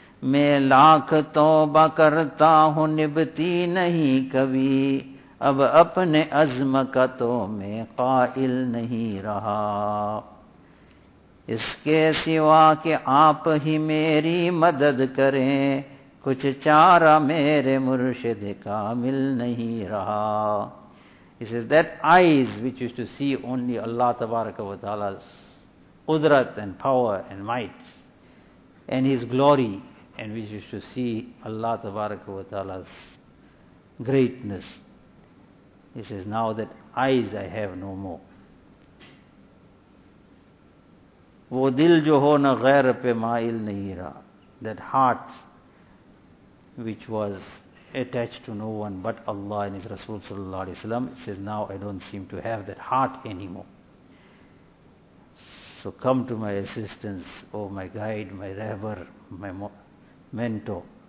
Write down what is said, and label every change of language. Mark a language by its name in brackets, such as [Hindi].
[Urdu] میں لاکھ توبہ کرتا ہوں نبتی نہیں کبھی, اب اپنے عزم کا تو میں قائل نہیں رہا. اس کے سوا کہ آپ ہی میری مدد کریں, کچھ چارہ میرے مرشد کامل نہیں رہا. [English] He says, that eyes which used to see only Allah tabaraka wa ta'ala's qudrat and power and might and His glory, and which used to see Allah tabaraka wa ta'ala's greatness. He says, now that eyes I have no more. [Urdu] وہ دل جو ہو نہ غیر پہ مائل نہیں رہا. [English] That heart which was attached to no one but Allah and His Rasul sallallahu alayhi wa sallam, it says, now I don't seem to have that heart anymore. So come to my assistance, oh my guide, my rabbar, my mentor.